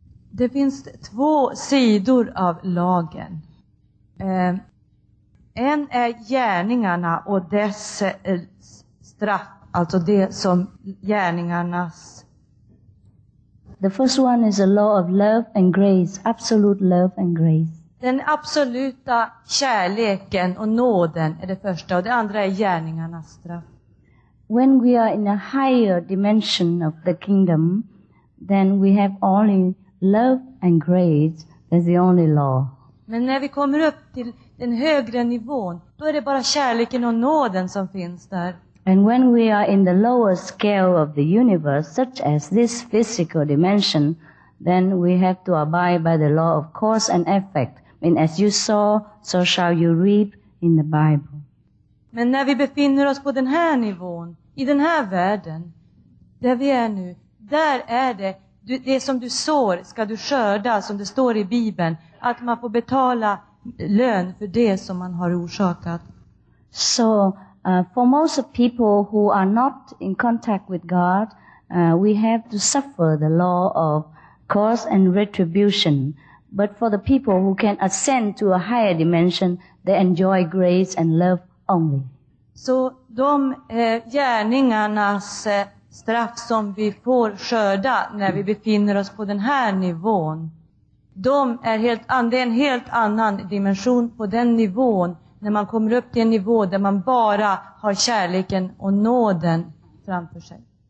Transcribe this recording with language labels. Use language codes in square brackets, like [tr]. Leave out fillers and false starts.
[sv] Det finns två sidor av lagen. En är gärningarna och dess straff, alltså det som gärningarnas. [en] The first one is a law of love and grace, absolute love and grace. [sv] Den absoluta kärleken och nåden är det första, och det andra är gärningarnas straff. [en] When we are in a higher dimension of the kingdom, then we have only love and grace as the only law. [sv] Men när vi kommer upp till den högre nivån, då är det bara kärleken och nåden som finns där. [en] And when we are in the lower scale of the universe, such as this physical dimension, then we have to abide by the law of cause and effect. I mean, as you sow, so shall you reap in the Bible. [sv] Men när vi befinner oss på den här nivån, i den här världen, där vi är nu, där är det, det som du sår ska du skörda, som det står i Bibeln, att man får betala lön för det som man har orsakat. [en] So, for most of people who are not in contact with God, we have to suffer the law of cause and retribution. But for the people who can ascend to a higher dimension, they enjoy grace and love only. [sv] Så de gärningarnas straff som vi får skörda när vi befinner oss på den här nivån, det är en helt annan dimension på den nivån. När man kommer upp till en nivå där man bara har kärleken och nåden framför sig.